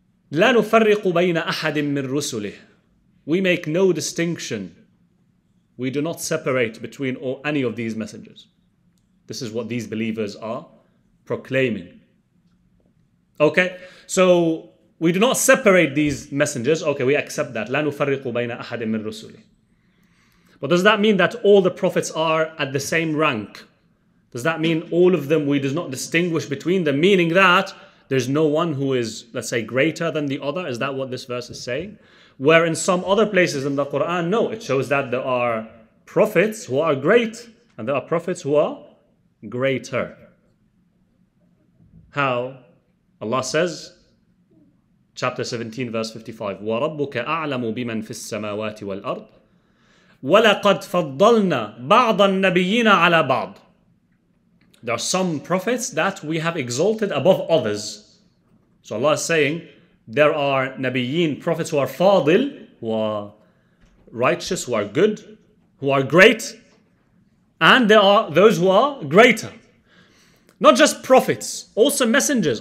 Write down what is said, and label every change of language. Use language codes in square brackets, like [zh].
[ar] لا نفرق بين أحد من رسله. [en] We make no distinction. We do not separate between any of these messengers. This is what these believers are proclaiming. Okay, so we do not separate these messengers. Okay, we accept that. [ar] لا نفرق بين أحد من رسله. [en] But does that mean that all the prophets are at the same rank? Does that mean all of them, we do not distinguish between them? Meaning that there's no one who is, let's say, greater than the other. Is that what this verse is saying? Where in some other places in the Quran, no, it shows that there are prophets who are great and there are prophets who are greater. How? Allah says, chapter 17, verse 55, [ar] وَرَبُّكَ أَعْلَمُ بِمَنْ فِي السَّمَاوَاتِ وَالْأَرْضِ وَلَقَدْ فَضَّلْنَا بَعْضَ النَّبِيِّينَ عَلَى بَعْضٍ. [en] There are some prophets that we have exalted above others. So Allah is saying, there are nabiyyin, prophets who are fadil, who are righteous, who are good, who are great. And there are those who are greater. Not just prophets, also messengers.